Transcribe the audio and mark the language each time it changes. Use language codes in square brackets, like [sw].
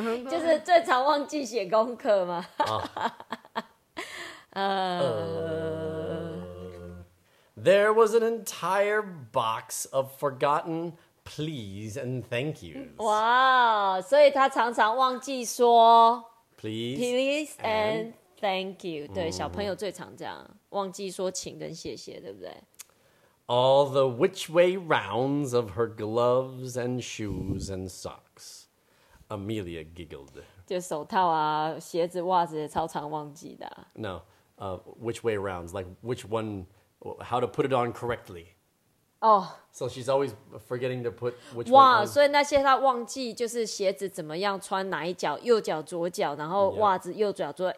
[zh] 就是最常忘记写功课吗？ [en] There was an entire box of forgotten please and thank yous. Wow, so he [zh] 常常忘记说 [en] please and thank you. [zh] 对，小朋友最常这样，忘记说请跟谢谢，对不对？ [en] All the which way rounds of her gloves and shoes and socks. Amelia giggled. [zh] 就手套啊，鞋子，袜子也超常忘记的。 [en] No. Which way around, like which one, how to put it on correctly. Oh. So she's always forgetting to put which wow, one on. [zh] 哇，所以那些她忘记就是鞋子怎么样穿哪一脚，右脚左脚，然后袜子右脚左脚、